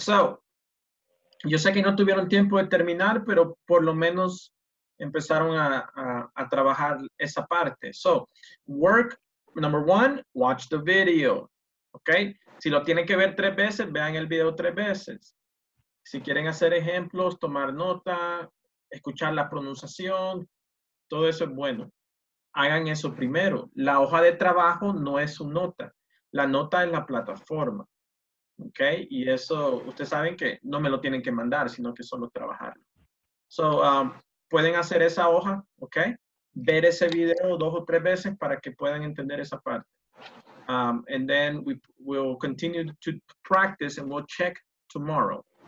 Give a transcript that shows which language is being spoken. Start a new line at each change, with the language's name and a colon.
Spanish: So, yo sé que no tuvieron tiempo de terminar, pero por lo menos empezaron a trabajar esa parte.
English: So, work, number one, watch the video, okay?
Spanish: Si lo tienen que ver tres veces, vean el video tres veces. Si quieren hacer ejemplos, tomar nota, escuchar la pronunciación, todo eso es bueno. Hagan eso primero. La hoja de trabajo no es su nota. La nota es la plataforma, okay? Y eso, ustedes saben que no me lo tienen que mandar, sino que solo trabajarlo. So, pueden hacer esa hoja, ¿ok? Ver ese video dos o tres veces para que puedan entender esa parte.
English: And then we'll continue to practice and we'll check tomorrow.